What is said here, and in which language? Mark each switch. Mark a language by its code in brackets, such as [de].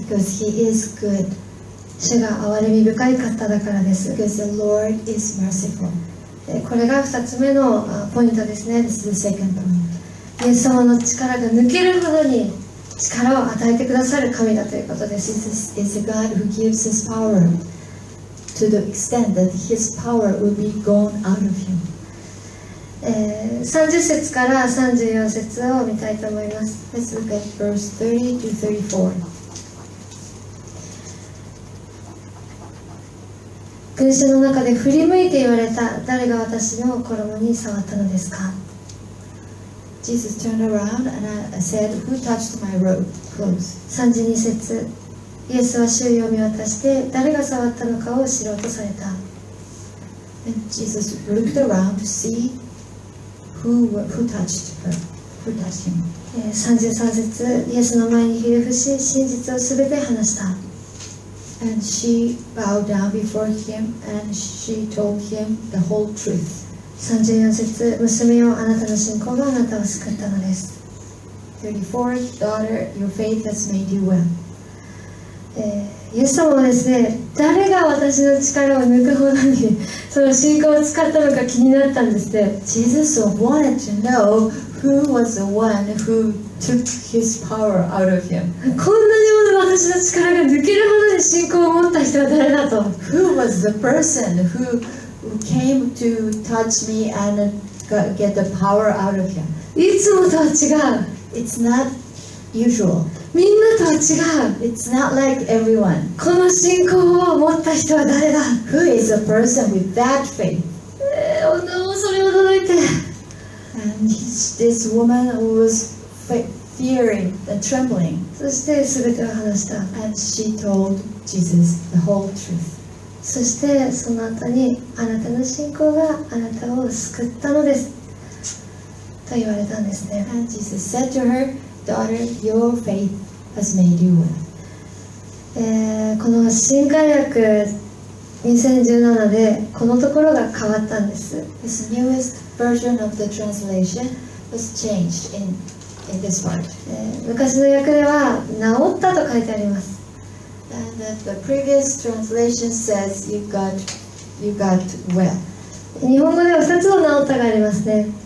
[en] Because he is good. [ja] 主が憐れみ深い方だからです。 [en] Because the Lord is merciful. [ja] これが2つ目のポイントですね。 [en] This is the second point. [ja] イエス様の力が抜けるほどに力を与えてくださる神だということです。 [en] Jesus is a God who gives his power to the extent that his power will be gone out of him. [ja] 30節から34節を見たいと思います。 [en] Let's look at verse 30 to 34. [ja] 群衆の中で振り向いて言われた。誰が私の衣に触ったのですか。 [en] Jesus turned around and said, Who touched my robe? Clothes. [ja] 32節、イエスは周囲を見渡して誰が触ったのかを知ろうとされた。 [en] And Jesus looked around to see who touched her, who touched him. [ja] 33節、イエスの前にひれ伏し真実をすべて話した。 [en] And she bowed down before him, and she told him the whole truth. [ja] 34節、娘よ、あなたの信仰があなたを救ったのです。 [en] 34, daughter, your faith has made you well. [ja] イエス様はですね、誰が私の力を抜くほどにその信仰を使ったのか気になったんですね。 [en] Jesus wanted to know who was the one who took his power out of him. [ja] こんなに私の力が抜けるほどに信仰を持った人は誰だと。 [en] Who was the person who came to touch me and get the power out of him? [ja] いつもとは違う。 [en] It's not usual. [ja] みんなとは違う。 [en] It's not like everyone. [ja] この信仰を持った人は誰だ。 [en] Who is the person with that faith? [ja] 女もそれを驚いて。 [en] And this woman was faithfearing and trembling. [ja] そしてすべてを話した。 [en] And she told Jesus the whole truth. [ja] そしてその後にあなたの信仰があなたを救ったのですと言われたんですね。 [en] And Jesus said to her, Daughter, your faith has made you well. [ja] この新改訳2017でこのところが変わったんです。 [en] This newest version of the translation was changed in this part. [ja] 昔の訳では治ったと書いてあります。 [en] And the previous translation says you got well. [ja] 日本語では2つの治ったがありますね。